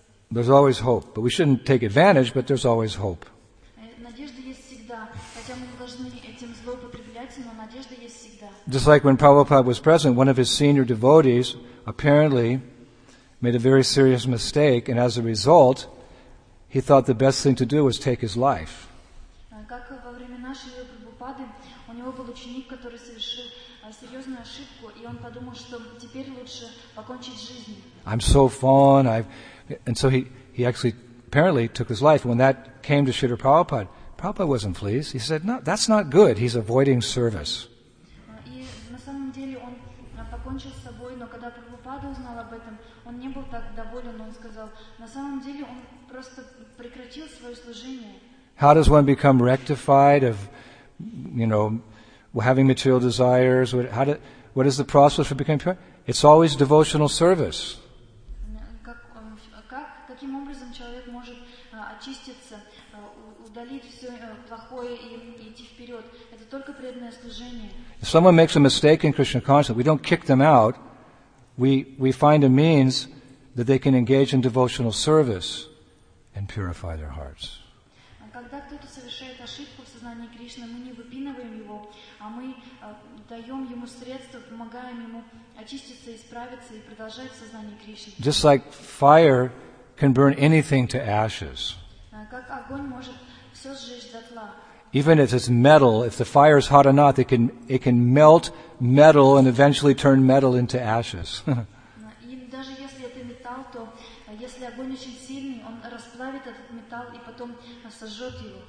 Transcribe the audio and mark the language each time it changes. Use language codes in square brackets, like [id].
[en] There's always hope, but we shouldn't take advantage, but there's always hope. [ru] Надежда есть всегда, хотя мы не должны этим злоупотреблять, но надежда есть всегда. [en] Just like when Prabhupada was present, one of his senior devotees apparently made a very serious mistake, and as a result, he thought the best thing to do was take his life. [ru] Как во время нашего Прабхупады, у него был ученик, который совершил серьезную ошибку, и он подумал, что теперь лучше покончить с жизнью. [en] I'm so fond, and so he actually apparently took his life. When that came to Śrīla Prabhupāda, Prabhupāda wasn't pleased. He said, "No, that's not good. He's avoiding service." [ru] И на самом деле он покончил с собой, но когда Прабхупада узнал об этом, он не был так доволен. Он сказал: "На самом деле он просто прекратил свое служение." [en] How does one become rectified of, you know, having material desires? What is the process for becoming pure? It's always devotional service. [ru] Каким образом человек может очиститься, удалить все плохое и идти вперед? Это только преданное служение. [en] If someone makes a mistake in Krishna consciousness, we don't kick them out. We find a means that they can engage in devotional service and purify their hearts. [ru] Когда кто-то совершает ошибку в сознании Кришны, мы не выпинываем его, а мы даем ему средства, помогаем ему очиститься, исправиться и продолжать в сознании Кришны. [en] Just like fire can burn anything to ashes. [ru] Как огонь может все сжечь дотла. [en] Even if it's metal, if the fire is hot enough, it can melt metal and eventually turn metal into ashes. [ru] даже если это металл, то если огонь очень сильный, он расплавит этот металл и потом сожжет его.